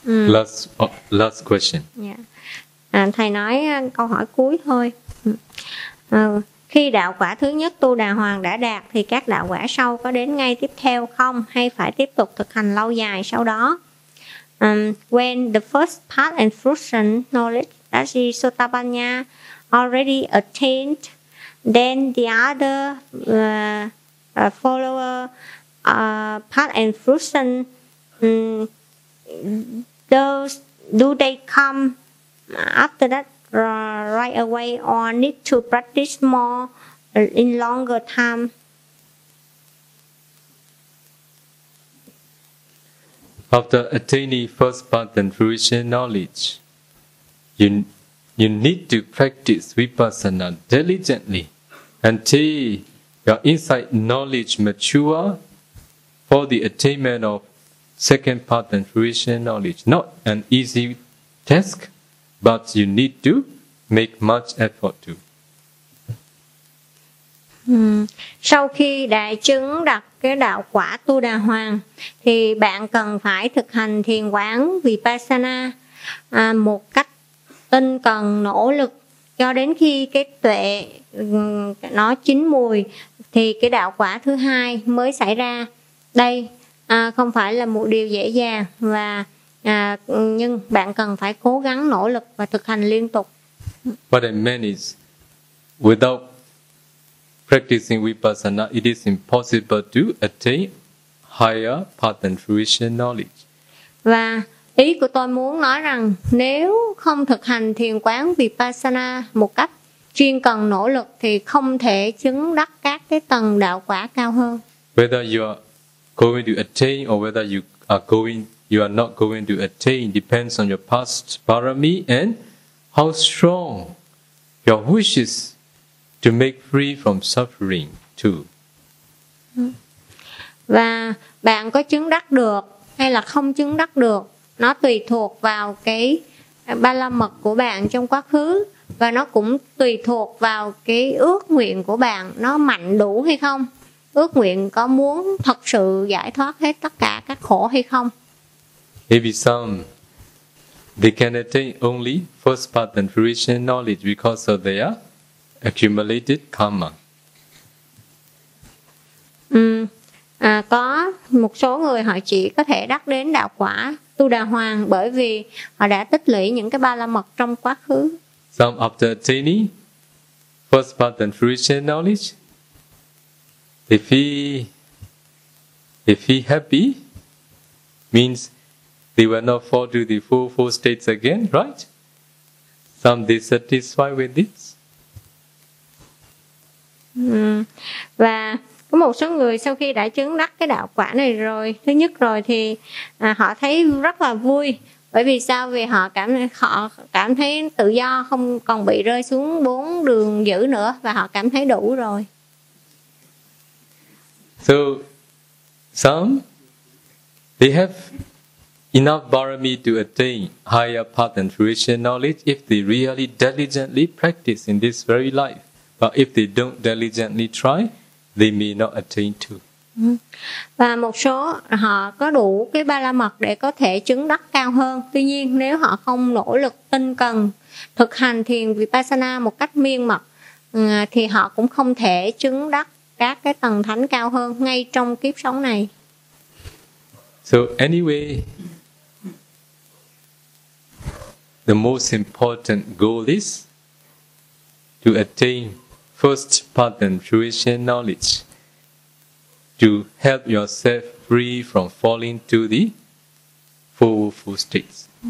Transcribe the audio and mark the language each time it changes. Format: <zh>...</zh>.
<en>Last question.</en> <vi>Thầy nói câu hỏi cuối thôi. Khi đạo quả thứ nhất Tu Đà Hoàng đã đạt thì các đạo quả sau có đến ngay tiếp theo không, hay phải tiếp tục thực hành lâu dài sau đó?</vi> <en>When the first part and fruition knowledge Dasi Sotapanna already attained, then the other follower part and fruition, do they come after that right away or need to practice more in longer time? After attaining first part and fruition knowledge, you need to practice vipassana diligently until your insight knowledge mature for the attainment of second part and fruition knowledge. Not an easy task, but you need to make much effort to.</en> <vi>Sau khi đại chứng đạt cái đạo quả Tu Đà Hoàng thì bạn cần phải thực hành thiền quán vipassana một cách tinh cần, nỗ lực cho đến khi cái tuệ nó chín mùi thì cái đạo quả thứ hai mới xảy ra. Đây không phải là một điều dễ dàng, và nhưng bạn cần phải cố gắng, nỗ lực và thực hành liên tục.</vi> <en>What I mean is, without practicing vipassana, it is impossible to attain higher path and fruition knowledge.</en> <vi>Và ý của tôi muốn nói rằng nếu không thực hành thiền quán vipassana một cách chuyên cần, nỗ lực thì không thể chứng đắc các cái tầng đạo quả cao hơn.</vi> <en>Whether you are going to attain or whether you are not going to attain depends on your past parami and how strong your wishes to make free from suffering too.</en> <vi>Và bạn có chứng đắc được hay là không chứng đắc được, nó tùy thuộc vào cái ba la mật của bạn trong quá khứ, và nó cũng tùy thuộc vào cái ước nguyện của bạn nó mạnh đủ hay không, ước nguyện có muốn thật sự giải thoát hết tất cả các khổ hay không.</vi> <en>Maybe some they can attain only first part and fruition knowledge because of their accumulated karma.</en> <vi>Có một số người họ chỉ có thể đắc đến đạo quả Tu Đà Hoàng bởi vì họ đã tích lũy những cái ba la mật trong quá khứ.</vi> <en>Some after attaining first path and fruition knowledge, they feel happy, means they will not fall to the four states again, right? Some dissatisfied with this.</en> <vi>Và có một số người sau khi đã chứng đắc cái đạo quả này rồi, thứ nhất rồi, thì họ thấy rất là vui. Bởi vì sao? Vì họ cảm thấy tự do, không còn bị rơi xuống bốn đường dữ nữa, và họ cảm thấy đủ rồi.</vi> <en>So some They have enough barami to attain higher path and fruition knowledge if they really diligently practice in this very life. But if they don't diligently try, they may not attain to.</en> <vi>Và một số họ có đủ cái ba la mật để có thể chứng đắc cao hơn. Tuy nhiên nếu họ không nỗ lực tinh cần thực hành thiền Vipassana một cách miên mật thì họ cũng không thể chứng đắc các cái tầng thánh cao hơn ngay trong kiếp sống này.</vi> <en>So anyway, the most important goal is to attain first path and fruition knowledge, to help yourself free from falling to the four woeful states.</en>